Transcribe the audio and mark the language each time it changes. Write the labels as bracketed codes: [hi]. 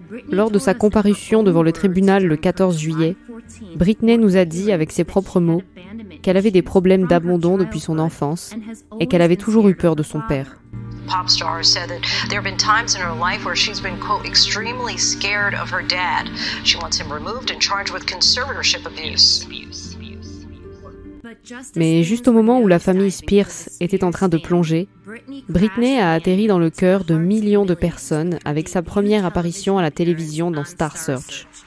[fr] Lors de sa comparution devant le tribunal le 14 juillet, Britney nous a dit avec ses propres mots qu'elle avait des problèmes d'abandon depuis son enfance et qu'elle avait toujours eu peur de son père. [en] Pop star said that there have been times in her life where she's been, quote, extremely scared of her dad. She wants him removed and charged with conservatorship abuse. [fr] Mais juste au moment où la famille Spears était en train de plonger, Britney a atterri dans le cœur de millions de personnes avec sa première apparition à la télévision dans Star Search.